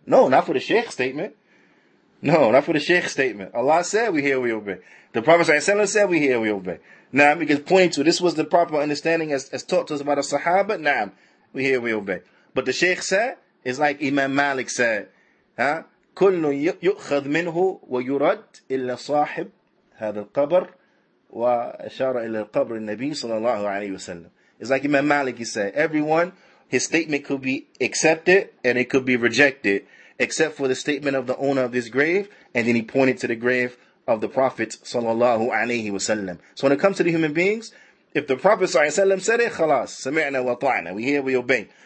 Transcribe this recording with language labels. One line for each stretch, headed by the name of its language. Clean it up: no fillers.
English: No, not for the Sheikh statement. No, not for the Sheikh statement. Allah said we hear, we obey. The Prophet ﷺ said we hear, we obey. Now, because point to, this was the proper understanding as taught to us by the Sahaba. Now, we hear, we obey. But the Sheikh said, it's like Imam Malik said, huh?
Arabic: كل يؤخذ منه ويرد إلا صاحب هذا القبر وأشار إلى القبر النبي صلى الله عليه وسلم.
English: It's like Imam Malik, he said, everyone, his statement could be accepted and it could be rejected, except for the statement of the owner of this grave, and then he pointed to the grave of the Prophet sallallahu alayhi wa sallam. So when it comes to the human beings, if the Prophet sallallahu alayhi wa sallam said it, khalas,
Arabic: sami'na wa ta'na,
English: we hear, we obey.